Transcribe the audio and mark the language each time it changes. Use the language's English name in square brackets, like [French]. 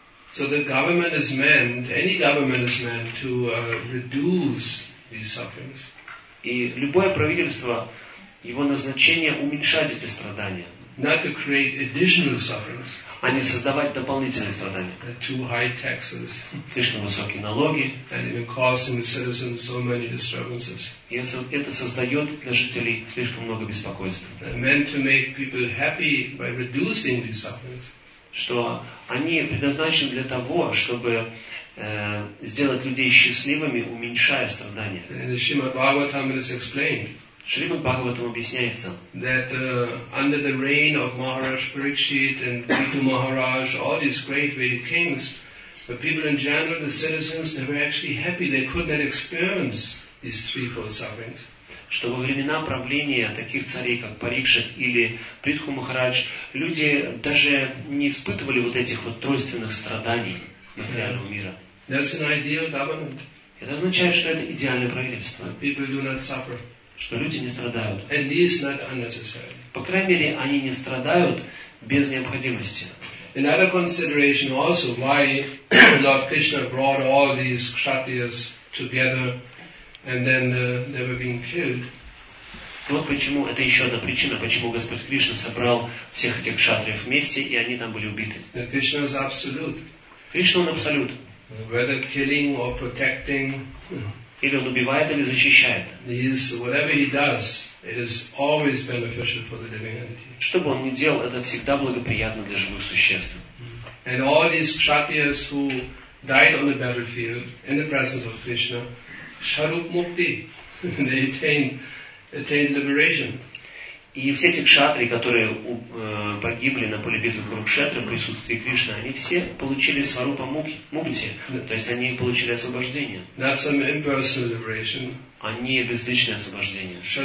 [English] So the government is meant, any government is meant to reduce these sufferings. [Russian] И любое правительство, его назначение уменьшать эти страдания. [English] Not to create additional sufferings. [Russian] А не создавать дополнительные страдания. [English] Too high taxes. [Russian] Слишком высокие налоги. [English] And even causing the citizens so many disturbances. [Russian] И это создает для жителей слишком много беспокойств. [English] Meant to make people happy by reducing these sufferings. [Russian] Что они предназначены для того, чтобы сделать людей счастливыми, уменьшая страдания. [English] In the Srimad Bhagavatam it is explained. [Russian] Шримад Бхагаватам объясняется. [English] That under the reign of Maharaj Parikshit and Ritu Maharaj, all these great Vedic kings, the people in general, the citizens, they were actually happy. They could not experience these threefold sufferings. [Russian] Что во времена правления таких царей, как Парикшит или Притху Махарадж, люди даже не испытывали вот этих вот тройственных страданий материального мира. [English] That's an ideal government. [Russian] Это означает, что это идеальное правительство. [English] But people do not suffer. [Russian] Что люди не страдают. [English] At least not unnecessarily. [Russian] По крайней мере, они не страдают без необходимости. [English] Another consideration also, why Lord Krishna brought all these kshatriyas together and then they were being killed. [Russian] Вот почему, это еще одна причина, почему Господь Кришна собрал всех этих кшатриев вместе, и они там были убиты. [English] Krishna is absolute. [Russian] Кришна, он абсолют. [English] whether killing or protecting, [Russian] или он убивает или защищает. [English] Whatever he does, it is always beneficial for the living entity. [Russian] Что бы он ни делал, это всегда благоприятно для живых существ. [English] And all these kshatriyas who died on the battlefield in the presence of Krishna, sharup mukti, they attained liberation. [Russian] И все эти кшатри, которые погибли на поле битвы Курукшетры в присутствии Кришны, они все получили сварупа мукти, то есть они получили освобождение. [English] That's some impersonal liberation. [Russian] Они безличное освобождение.